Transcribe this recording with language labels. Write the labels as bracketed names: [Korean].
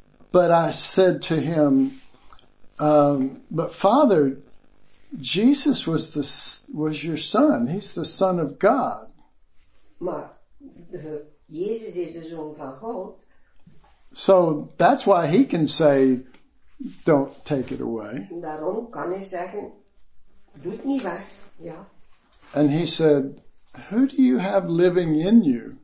[English] But I said to him, but Father, Jesus was your son. He's the son of God. [Dutch] Maar Jezus is de zoon van God. [English] So that's why he can say, don't take it away. [Dutch] Daarom kan hij zeggen, doe het niet weg. Ja. [English] And he said, who do you have living in you?